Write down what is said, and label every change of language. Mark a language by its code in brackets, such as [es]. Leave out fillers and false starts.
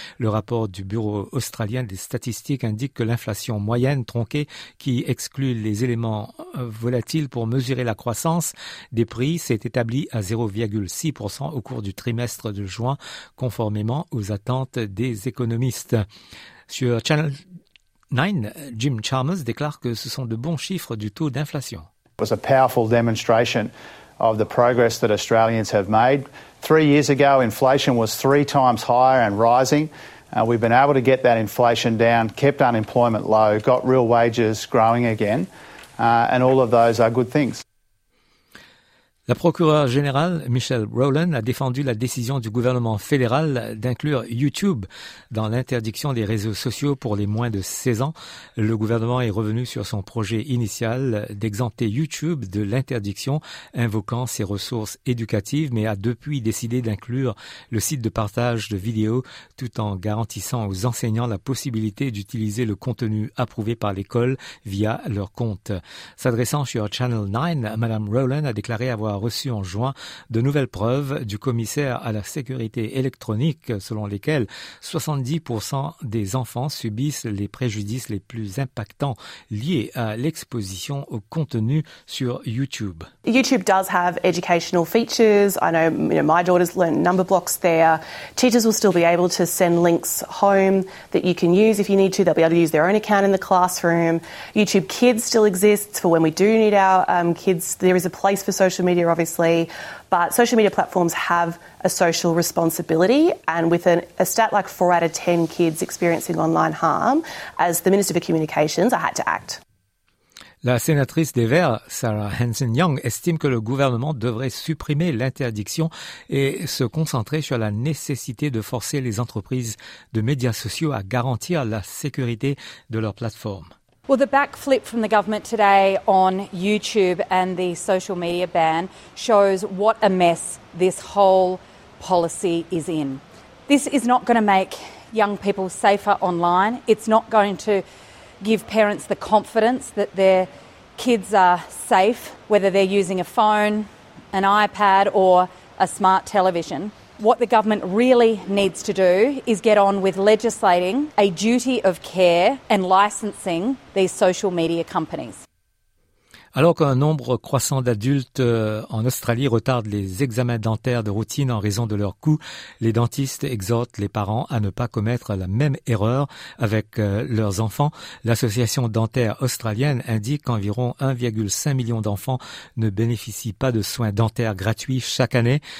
[fr] Le rapport du Bureau australien des statistiques indique que l'inflation moyenne tronquée, qui exclut les éléments volatiles pour mesurer la croissance des prix, s'est établie à 0,6% au cours du trimestre de juin, conformément aux attentes des économistes. Sur Channel 9, Jim Chalmers déclare que ce sont de bons chiffres du taux d'inflation. [en] It was a powerful demonstration of the progress that Australians have made. 3 years ago, inflation was 3 times higher and rising. We've been able to get that inflation down, kept unemployment low, got real wages growing again, and all of those are good things. [fr] La procureure générale, Michelle Rowland, a défendu la décision du gouvernement fédéral d'inclure YouTube dans l'interdiction des réseaux sociaux pour les moins de 16 ans. Le gouvernement est revenu sur son projet initial d'exempter YouTube de l'interdiction, invoquant ses ressources éducatives, mais a depuis décidé d'inclure le site de partage de vidéos tout en garantissant aux enseignants la possibilité d'utiliser le contenu approuvé par l'école via leur compte. S'adressant sur Channel 9, Madame Rowland a déclaré avoir reçu en juin de nouvelles preuves du commissaire à la sécurité électronique selon lesquelles 70% des enfants subissent les préjudices les plus impactants liés à l'exposition au contenu sur YouTube. [en] YouTube does have educational features. I know, you know, my daughter's learned number blocks there. Teachers will still be able to send links home that you can use if you need to. They'll be able to use their own account in the classroom. YouTube Kids still exists for when we do need our kids. There is a place for social media, obviously, but social media platforms have a social responsibility, and with a stat like 4 out of 10 kids experiencing online harm, as the Minister for Communications, I had to act. [fr] La sénatrice des Verts, Sarah Hanson-Young, estime que le gouvernement devrait supprimer l'interdiction et se concentrer sur la nécessité de forcer les entreprises de médias sociaux à garantir la sécurité de leurs plateformes. [en] Well, the backflip from the government today on YouTube and the social media ban shows what a mess this whole policy is in. This is not going to make young people safer online. It's not going to give parents the confidence that their kids are safe, whether they're using a phone, an iPad, or a smart television. What the government really needs to do is get on with legislating a duty of care and licensing these social media companies. [fr] Alors qu'un nombre croissant d'adultes en Australie retardent les examens dentaires de routine en raison de leurs coûts, les dentistes exhortent les parents à ne pas commettre la même erreur avec leurs enfants. L'association dentaire australienne indique qu'environ 1,5 million d'enfants ne bénéficient pas de soins dentaires gratuits chaque année.